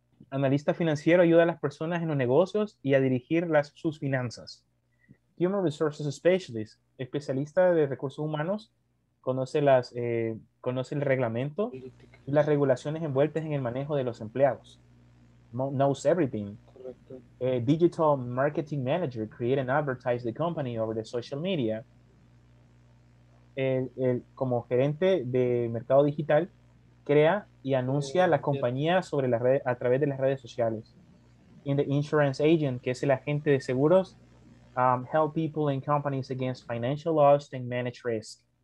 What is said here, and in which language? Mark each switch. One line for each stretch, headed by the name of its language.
Spanish: Analista financiero ayuda a las personas en los negocios y a dirigir sus finanzas. Human Resources Specialist, especialista de recursos humanos, conoce las conoce el reglamento y las regulaciones envueltas en el manejo de los empleados.
English: Knows everything.
Spanish: Correcto.
English: A digital marketing manager create and advertise the company over the social media.
Spanish: Como gerente de mercado digital, crea y anuncia la compañía sobre la red, a través de las redes sociales.
English: In the insurance agent,
Spanish: que es el agente de seguros,
English: help people and companies against financial loss and manage risk.